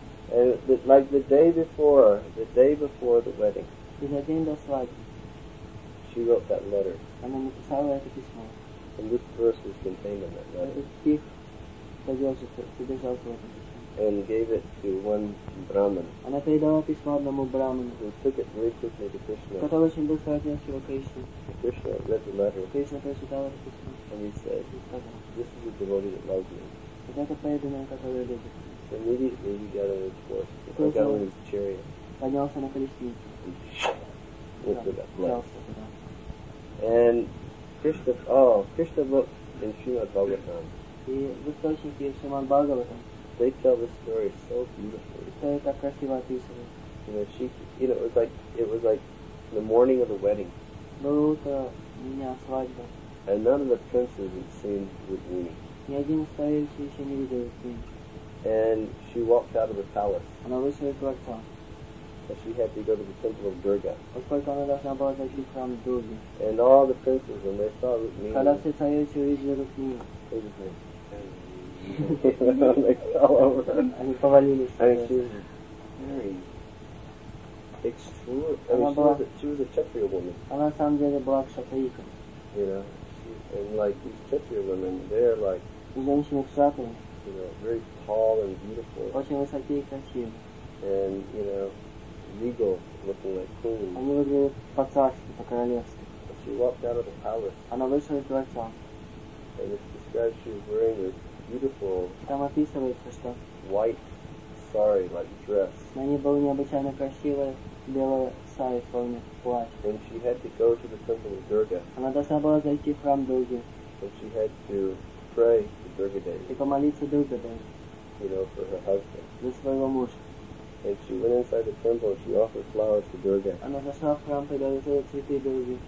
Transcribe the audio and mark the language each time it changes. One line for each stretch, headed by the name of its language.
English: And like the day before the wedding, she wrote that letter. And this verse was contained in that letter. And gave it to one Brahman.
Russian: Она передала письмо одному Брахману.
English: Who took it very quickly to Krishna.
Russian: Который очень быстро отнес его к Кришне.
English: Krishna read the letter.
Russian: Кришна прочитал это письмо.
English: And he said, this is a devotee that loves me.
Russian: Вот это преданное, которое любит.
English: Immediately he got on his horse. He got on his chariot.
Russian: Поднялся на колесницу.
English: And went to that place. And Krishna looked in Srimad Bhagavatam.
Russian: И в источнике Srimad Bhagavatam.
English: They tell the story so beautifully.
Russian: Это красиво описано.
English: You know, it was like the morning of the wedding.
Russian: Было утро дня свадьбы.
English: And none of the princes had seen Rukmini.
Russian: Ни один из правителей еще не видел Рукмини.
English: And she walked out of the palace.
Russian: Она вышла из дворца.
English: But she had to go to the temple of Durga.
Russian: Поскольку она должна была зайти в храм Дурги.
English: And all the princes, when they saw Rukmini.
Russian: Когда все правители увидели Рукмини.
English: They were like, they fell over. And she was very she was a Kshatriya woman.
Russian: Она на самом деле была кшатрийка.
English: You know, and like these Kshatriya women, they're like,
Russian: женщины кшатри.
English: You know, very tall and beautiful.
Russian: Очень высокие и красивые.
English: And you know, regal, looking like queens.
Russian: Они выглядели по-царски, по-королевски.
English: But she walked out of the palace.
Russian: Она вышла из дворца.
English: And it's described she was wearing this beautiful,
Russian: там описывается, что
English: white sari, like dress.
Russian: На ней было необычайно красивое белое сари, словно платье.
English: And she had to go to the temple of Durga.
Russian: Она должна была зайти в храм Дурги.
English: And she had to pray to Durga Devi.
Russian: И помолиться Дурге Деви.
English: You know, for her husband.
Russian: За своего мужа.
English: And she went inside the temple and she offered flowers to Durga.
Russian: Она зашла в храм, предложила цветы Дурге.